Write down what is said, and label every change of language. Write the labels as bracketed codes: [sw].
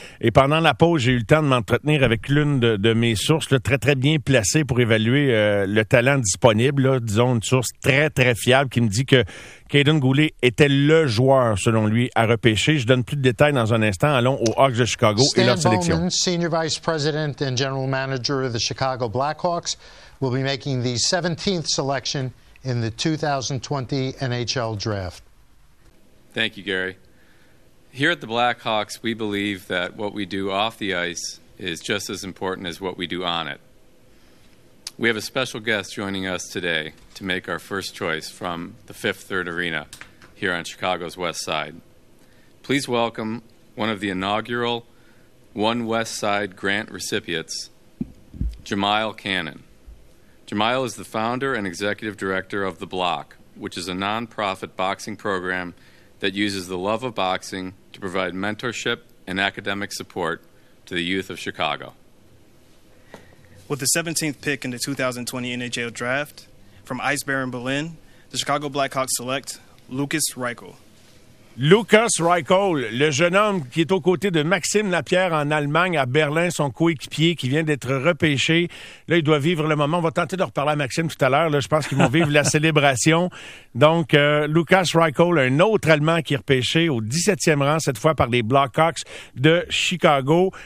[fr] Et pendant la pause, j'ai eu le temps de m'entretenir avec l'une de mes sources, là, très, très bien placée pour évaluer le talent disponible. Là, disons, une source très, très fiable qui me dit que Caden Goulet était le joueur, selon lui, à repêcher. Je donne plus de détails dans un instant. Allons aux Hawks de Chicago Stan et leur Bowman, sélection. [en] Senior Vice President and General Manager of the Chicago Blackhawks, will be making the 17th selection in the 2020 NHL Draft. Thank you, Gary. Here at the Blackhawks, we believe that what we do off the ice is just as important as what we do on it. We have a special guest joining us today to make our first choice from the Fifth Third Arena here on Chicago's West Side. Please welcome one of the inaugural One West Side grant recipients, Jamiel Cannon. Jamiel is the founder and executive director of The Block, which is a nonprofit boxing program that uses the love of boxing to provide mentorship and academic support to the youth of Chicago. With the 17th pick in the 2020 NHL Draft, from Ice Baron Berlin, the Chicago Blackhawks select Lucas Reichel. [fr] Lucas Reichel, le jeune homme qui est aux côtés de Maxime Lapierre en Allemagne, à Berlin, son coéquipier qui vient d'être repêché. Là, il doit vivre le moment. On va tenter de reparler à Maxime tout à l'heure. Là, je pense qu'ils vont vivre la célébration. Donc, Lucas Reichel, un autre Allemand qui est repêché au 17e rang, cette fois par les Blackhawks de Chicago.